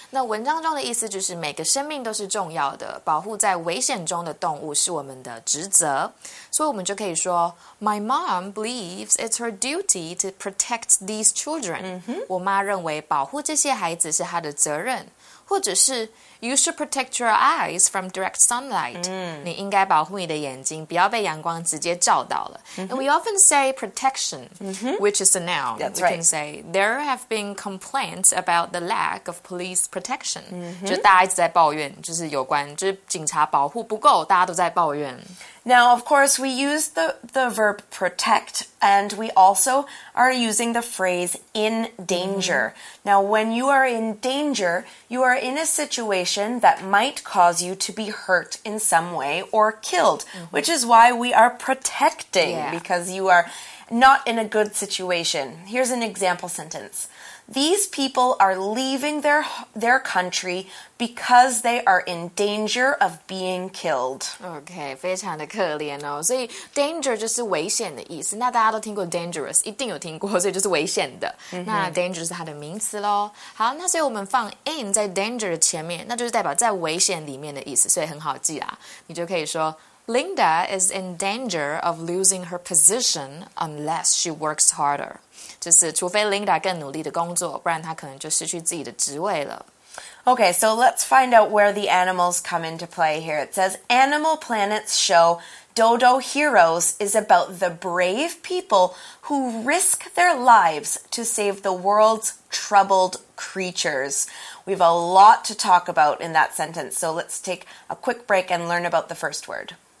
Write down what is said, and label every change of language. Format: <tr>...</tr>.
<zh>那文章中的意思就是每个生命都是重要的，保护在危险中的动物是我们的职责。所以我们就可以说</zh> <en>My mom believes it's her duty to protect these children.、 Mm-hmm.</en> <zh>我妈认为保护这些孩子是她的责任。或者是</zh> <en>You should protect your eyes from direct sunlight.、 Mm-hmm.</en> <zh>你应该保护你的眼睛，不要被阳光直接照到了。 Mm-hmm.</zh> <en>And we often say protection,、 mm-hmm. which is a noun. That's we right. We can say there have been complaints about the lack of police protection.、 Mm-hmm.</en> <zh>就大家一直在抱怨，就是有关，就是警察保护不够，大家都在抱怨。</zh> <en>Now, of course, we use the verb protect, and we also are using the phrase in danger.、Mm-hmm. Now, when you are in danger, you are in a situation that might cause you to be hurt in some way or killed,、 mm-hmm. which is why we are protecting,、 yeah. because you are not in a good situation. Here's an example sentence. These people are leaving their country because they are in danger of being killed.</en> <zh>Okay, 非常的可怜哦。所以 danger 就是危险的意思。那大家都听过 dangerous, 一定有听过，所以就是危险的。 Mm-hmm. 那 danger 是它的名词咯。好，那所以我们放 in 在 danger 前面，那就是代表在危险里面的意思，所以很好记啊。你就可以说</zh> <en>Linda is in danger of losing her position unless she works harder.</en> <zh>就是除非 Linda 更努力的工作，不然她可能就失去自己的职位了。</zh> <en>Okay, so let's find out where the animals come into play here. It says, Animal Planet's show Dodo Heroes is about the brave people who risk their lives to save the world's troubled creatures. We have a lot to talk about in that sentence, so let's take a quick break and learn about the first word.</en>